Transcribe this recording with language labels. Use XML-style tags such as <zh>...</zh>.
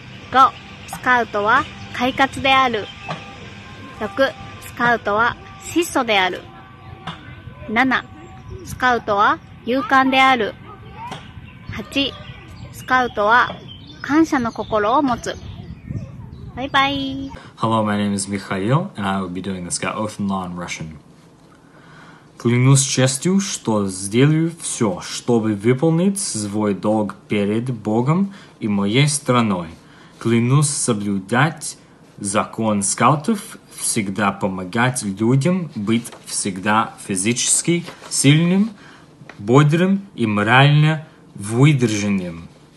<ja>5、スカウトは快活である。6、スカウトは質素である。 7、スカウトは勇敢である。8、スカウトは感謝の心を持つ。バイバイ。</ja> <en>Hello, my name is Mikhail and I will be doing the Scout Oath in non-Russian.</en> <ru>Клянусь честью, что сделаю все, чтобы выполнить свой долг перед Богом и моей страной. Клянусь соблюдать закон скаутов, всегда помогать людям, быть всегда физически сильным, бодрым и морально выдержанным.</ru>